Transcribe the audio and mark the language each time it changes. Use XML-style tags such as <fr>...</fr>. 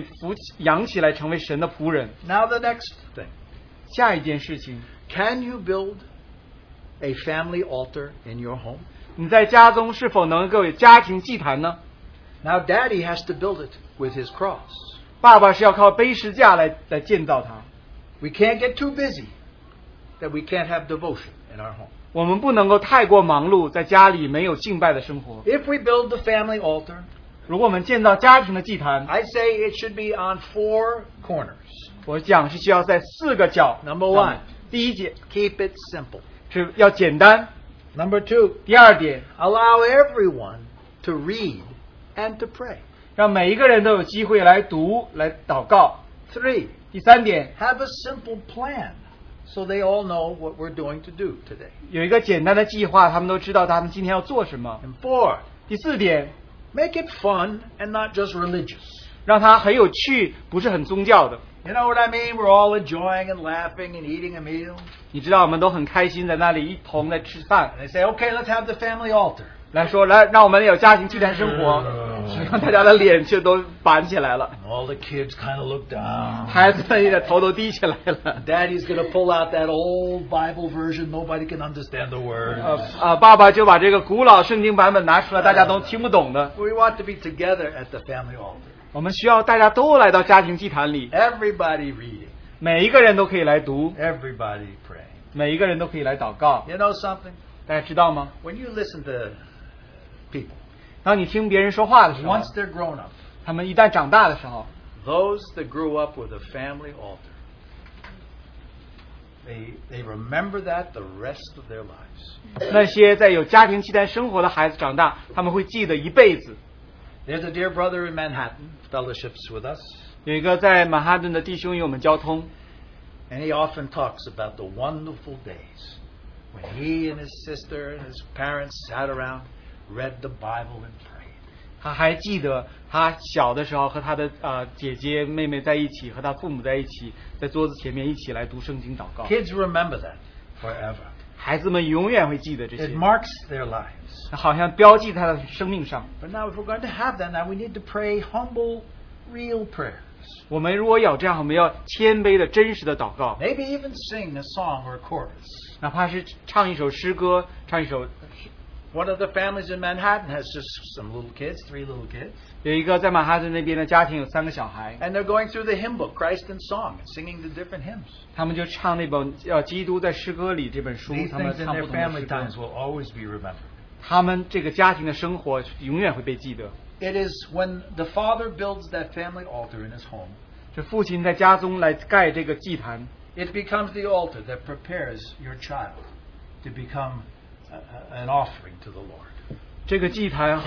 <zh>我们希望宝贝的这些孩子被扶养起来成为神的仆人。</zh> <en>Now the next thing.</en> <zh>下一件事情。</zh> <en>Can you build a family altar in your home?</en> <zh>你在家中是否能够有家庭祭坛呢?</zh> <en>Now daddy has to build it with his cross.</en> <zh>爸爸是要靠背十字架来建造它。</zh> <en>We can't get too busy that we can't have devotion in our home.</en> <zh>我们不能够太过忙碌，在家里没有敬拜的生活。</zh> <en>If we build the family altar,</en> <zh>如果我们建造家庭的祭坛,</zh> <en>I say it should be on four corners.</en> <zh>我讲是需要在四个角,</zh> <en>Number one,</en> <zh>第一节,</zh> <en>keep it simple.</en> <zh>是要简单。</zh> <en>Number two,</en> <zh>第二点,</zh> <en>allow everyone to read and to pray.</en> <zh>让每一个人都有机会来读，来祷告。</zh> <en>Three,</en> <zh>第三点,</zh> <en>have a simple plan so they all know what we're doing to do today.</en> <zh>有一个简单的计划, 他们都知道他们今天要做什么。</zh> <en>And four,</en> <zh>第四点,</zh> <en>make it fun and not just religious.</en> <zh>让它很有趣, 不是很宗教的。</zh> <en>You know what I mean? We're all enjoying and laughing and eating a meal.</en> <zh>你知道我们都很开心在那里一同在吃饭。</zh> <en>And they say, okay, let's have the family altar.</en> <zh>来说，来，让我们有家庭聚餐生活。所以大家的脸却都板起来了。</zh> <en>All the kids kind of look down.</en> <zh>孩子们的头都低起来了。</zh> <en>Daddy's gonna pull out that old Bible version. Nobody can understand the word.</en> <zh>爸爸就把这个古老圣经版本拿出来，大家都听不懂的。</zh> <en>We want to be together at the family altar.</en> <zh>我们需要大家都来到家庭祭坛里。</zh> <en>Everybody reading.</en> <zh>每一个人都可以来读。</zh> <en>Everybody praying.</en> <zh>每一个人都可以来祷告。</zh> <en>You know something?</en> <zh>大家知道吗?</zh> <en>When you listen to people, Once they're grown up, those that grew up with a family altar, they remember that the rest of their lives.</en> <zh>那些在有家庭期间生活的孩子长大, 他们会记得一辈子。</zh> <en>There's a dear brother in Manhattan, fellowships with us.</en> <zh>有一个在马哈顿的弟兄与我们交通。</zh> <en>And he often talks about the wonderful days when he and his sister and his parents sat around, read the Bible and prayed.</en> <zh>他还记得他小的时候和他的姐姐妹妹在一起和他父母在一起在桌子前面一起来读圣经祷告。</zh> <en>Kids remember that forever.</en> <zh>孩子们永远会记得这些。</zh> <en>It marks their lives.</en> <zh>好像标记他的生命上。</zh> <en>But now if we're going to have that, now we need to pray humble, real prayers.</en> <zh>我们如果有这样，我们要谦卑的、真实的祷告。</zh> <en>Maybe even sing a song or a chorus.</en> <zh>哪怕是唱一首诗歌，唱一首。</zh> <en>One of the families in Manhattan has just some little kids, three little kids.</en> <zh>有一个在马哈顿那边的家庭有三个小孩。</zh> <en>And they're going through the hymn book, Christ in Song, singing the different hymns.</en> <zh>他们就唱那本《基督在诗歌里》这本书。</zh> <en>These things in their family times will always be remembered.</en> <zh>他们这个家庭的生活永远会被记得。</zh> <en>It is when the father builds that family altar in his home,</en> <zh>这父亲在家中来盖这个祭坛,</zh> <en>it becomes the altar that prepares your child to become an offering to the Lord.</en>